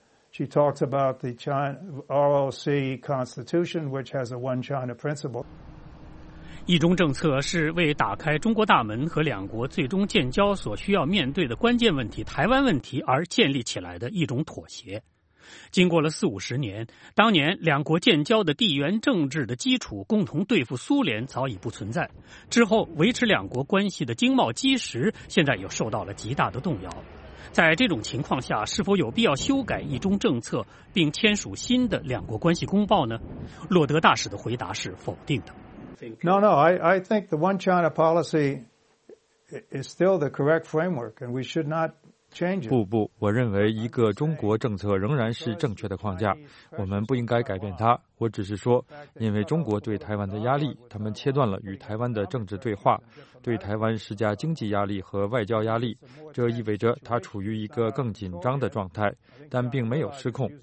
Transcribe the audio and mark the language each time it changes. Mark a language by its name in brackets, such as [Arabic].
[English] She talks about the ROC Constitution, which has a one China principle. [Chinese] 一中政策是为打开中国大门和两国最终建交所需要面对的关键问题——台湾问题而建立起来的一种妥协。经过了四五十年，当年两国建交的地缘政治的基础共同对付苏联早已不存在，之后维持两国关系的经贸基石现在又受到了极大的动摇。在这种情况下，是否有必要修改一中政策并签署新的两国关系公报呢？洛德大使的回答是否定的。 [English] No, I think the one China policy is still the correct framework, and we should not [Chinese] 不不，我认为一个中国政策仍然是正确的框架，我们不应该改变它。我只是说，因为中国对台湾的压力，他们切断了与台湾的政治对话，对台湾施加经济压力和外交压力，这意味着它处于一个更紧张的状态，但并没有失控。